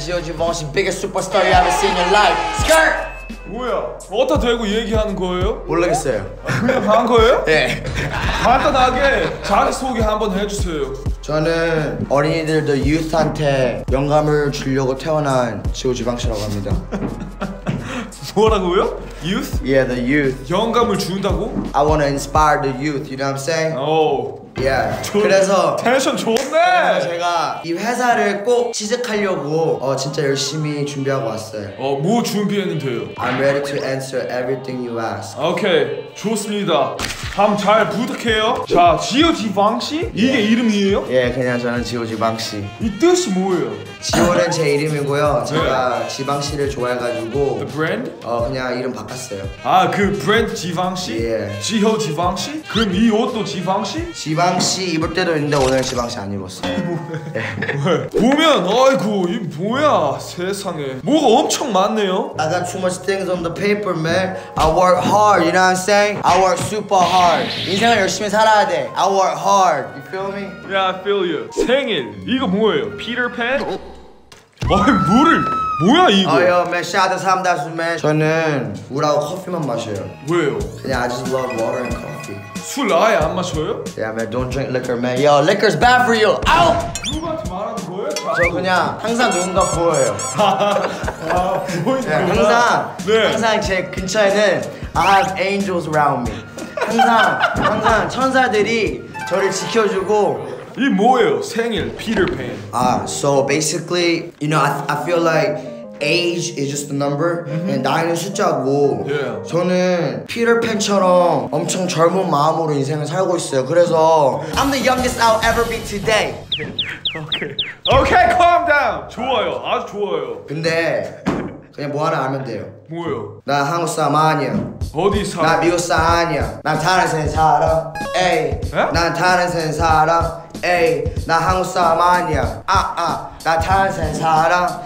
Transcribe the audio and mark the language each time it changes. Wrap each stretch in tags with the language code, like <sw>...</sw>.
<en>Joji biggest superstar you ever seen in your life. Skirt.</en> <ko>뭐야, 어디다 대고 얘기하는 거예요? 모르겠어요. 그냥 반 거예요? 네. 간단하게 자기소개 한번 해주세요. 저는 어린이들도 유스한테 영감을 주려고 태어난 지오지방씨라고 합니다. 뭐라고요? Youth?</ko> <en>Yeah, the youth.</en> <ko>영감을 준다고?</ko> <en>I wanna inspire the youth, you know what I'm saying? Oh. Yeah.</en> <ko>그래서 텐션 좋네! 제가 이 회사를 꼭 취직하려고 진짜 열심히 준비하고 왔어요. 뭐 준비했는데요?</ko> <en>I'm ready to answer everything you ask.</en> <ko>오케이, okay, 좋습니다. 다음 잘 부탁해요. 자, 지오지방씨? 이게 yeah. 이름이에요? 예, yeah, 그냥 저는 지오지방씨. 이 뜻이 뭐예요? 지오는 제 이름이고요. 제가 지방씨를 좋아해가지고</ko> <en>The brand?</en> <ko>그냥 이름 바꿨어요. 아, 그 브랜드 지방씨? 예. Yeah. 지오지방씨? 그럼 이 옷도 지방씨? 지방씨 입을 때도 있는데 오늘 지방씨 안 입었어요. 뭐해? 보면 아이고, 이 뭐야, 세상에. 뭐가 엄청 많네요.</ko> <en>I got too much things on the paper, man. I work hard, you know what I'm saying? I work super hard.</en> <ko>인생을 열심히 살아야 돼.</ko> <en>I work hard. You feel me? Yeah, I feel you.</en> <ko>생일. 이거 뭐예요? Peter Pan? 아이, 물을. 뭐야 이거? 아, 맨 샤드 삼다수 맨. 저는 물하고 커피만 마셔요. 왜요?</ko> <en>그냥 I just love water and coffee.</en> <ko>술 아예 안 마셔요?</ko> <en>Yeah, man. Don't drink liquor, man. Yo, liquor's bad for you. Out.</en> <ko>누구한테 말하는 거예요? 저 그냥 항상 누군가 보여요. 아, 보이세요? 항상. 네. 항상 제 근처에는</ko> <en>I have angels around me.</en> <ko>항상 천사들이 저를 지켜주고. 이 뭐예요? 생일 Peter Pan.</ko> <en>So basically, you know, I feel like age is just a number, mm-hmm.</en> <ko>and 나이는 숫자고.</ko> <en>Yeah.</en> <ko>저는 Peter Pan처럼 엄청 젊은 마음으로 인생을 살고 있어요.</ko> <en>그래서 I'm the youngest I'll ever be today. Okay. Okay, calm down.</en> <ko>좋아요. 아주 좋아요. 근데 그냥 뭐 하나 알면 돼요. 뭐요? 나 한국 사람 아니야. 어디 사람? 나 미국 사람 아니야. 난 다른 세상 살아. 에이. 에? 난 다른 세상 살아. 에이. 나 한국 사람 아니야. 아아. 나 다른 세상 살아.</ko>